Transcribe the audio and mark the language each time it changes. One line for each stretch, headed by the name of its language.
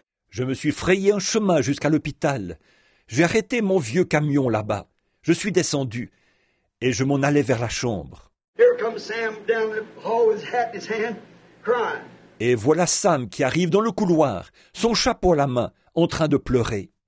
French: Je me suis frayé un chemin jusqu'à l'hôpital. J'ai arrêté mon vieux camion là-bas. Je suis descendu et je m'en allais vers la chambre.
English: Here comes Sam down the hall with his hat in his hand, crying.
French: Et voilà Sam qui arrive dans le couloir, son chapeau à la main, en train de pleurer.